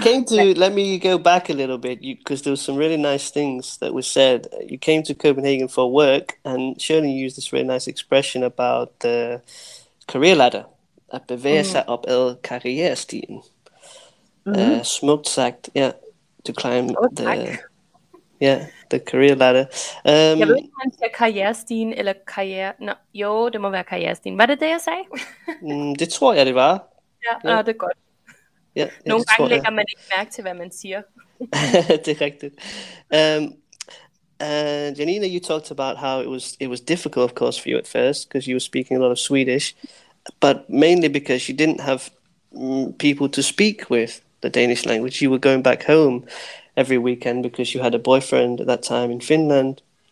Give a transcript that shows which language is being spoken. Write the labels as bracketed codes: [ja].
[en] But you came to, let me go back a little bit, because there were some really nice things that were said. You came to Copenhagen for work, and Shirley used this really nice expression about the career ladder. [da] At bevæge sig op ad karrierestien. Smukt sagt, [en] to climb the... Ja, the career ladder. [da] Jeg ved ikke, om det er karrierestien eller karriere... No, jo, det må være karrierestien. Var det det, jeg sagde? Det tror jeg, det var. Ja, det er godt. Ja, nogle gange lægger man ikke mærke til, hvad man siger. Det er rigtigt. [en] And Janina, you talked about how it was difficult, of course, for you at first because you were speaking a lot of Swedish, but mainly because you didn't have people to speak with the Danish language. You were going back home every weekend because you had a boyfriend at that time in Finland.